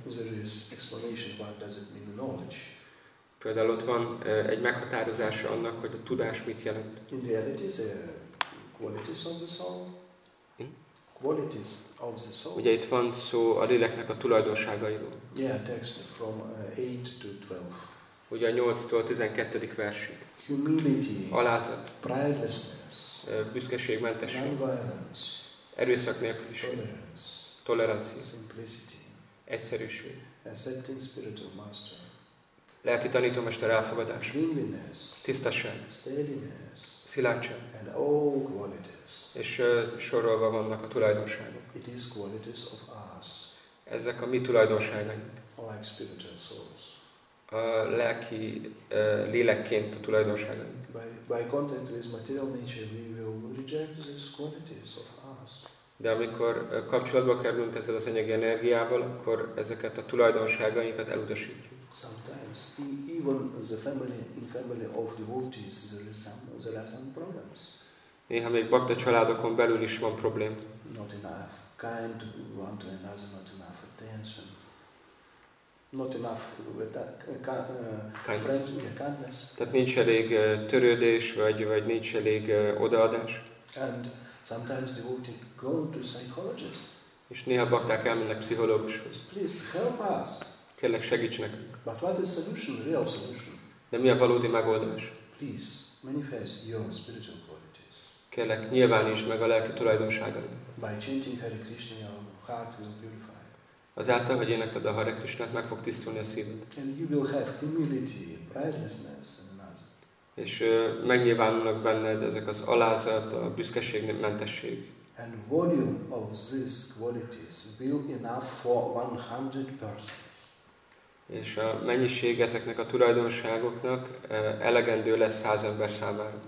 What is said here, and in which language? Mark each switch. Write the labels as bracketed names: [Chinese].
[English] There is explanation what does it mean knowledge. [Hungarian] Például ott van egy meghatározása annak, hogy a tudás mit jelent. [English] In reality, the qualities of the soul. Qualities of the soul. [Hungarian] Ugye itt van szó a léleknek a tulajdonságairól. [English] Yeah, text from 8 to 12. [Hungarian] Ugye a 8-tól 12. versig. [English] Humility. [Hungarian] Alázat. [English] Pridelessness. [Hungarian] Büszkeségmentesség. [English] Non-violence. [Hungarian] Erőszak nélküliség. [English] Tolerance. [Hungarian] Tolerancia. [English] Simplicity. [Hungarian] Egyszerűség. [English] Accepting spiritual master. [Hungarian] Lelki tanítómester elfogadás. [English] Cleanliness. [Hungarian] Tisztaság. [English] Steadiness. [Hungarian] Szilárdság. [English] And all qualities. [Hungarian] És sorolva vannak a tulajdonságok. [English] It is qualities of us. [Hungarian] Ezek a mi tulajdonságaink. [English] Like spiritual souls. [Hungarian] A lelki lélekként a tulajdonságaink. [English] By contact with material nature, we will reject these qualities of us. [Hungarian] De amikor kapcsolatba kerülünk ezzel az anyagi energiával, akkor ezeket a tulajdonságainkat elutasítjuk. [English] Sometimes even the family of devotees there are some problems. [Hungarian] Néha még bhakta családokon belül is van probléma. [English] Not enough kind one to another, not enough attention, not enough kindness. [Hungarian] Tehát nincs elég törődés vagy nincs elég odaadás. [English] And sometimes devotees go to psychologists. [Hungarian] És néha bhakták elmennek pszichológushoz. [English] Please help us. [Hungarian] Kérlek, segíts nekünk. [English] But what is solution, real solution? [Hungarian] De mi a valódi megoldás? [English] Please manifest your spiritual qualities. [Hungarian] Kérlek, nyilvánítsd meg a lelki tulajdonságaidat. [English] By chanting Hare Krishna, your heart will purify. [Hungarian] Azáltal, hogy énekled a Hare Krisnát, meg fog tisztulni a szíved. [English] And you will have humility, pridelessness and another. [Hungarian] És megnyilvánulnak benned ezek az alázat, a büszkeség, a mentesség. [English] And volume of these qualities will enough for 100 persons. [Hungarian] És a mennyiség ezeknek a tulajdonságoknak elegendő lesz 100 ember számára.